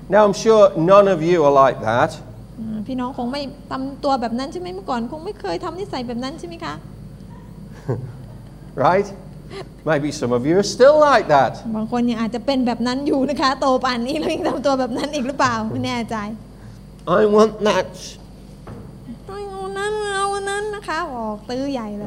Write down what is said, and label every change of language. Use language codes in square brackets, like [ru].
[en] Now I'm sure none of you are like that. [th] พี่น้องคงไม่ทำตัวแบบนั้นใช่ไหมเมื่อก่อนคงไม่เคยทำนิสัยแบบนั้นใช่ไหมคะ [en] Right Maybe some of you are still like that [th] บางคนยังอาจจะเป็นแบบนั้นอยู่นะคะโตป่านนี้แล้วยังทำตัวแบบนั้นอีกหรือเปล่าไม่แน่ใจ [en] I want that [th] เอาอันนั้นเอาอันนั้นนะคะออกตื้อใหญ่เลย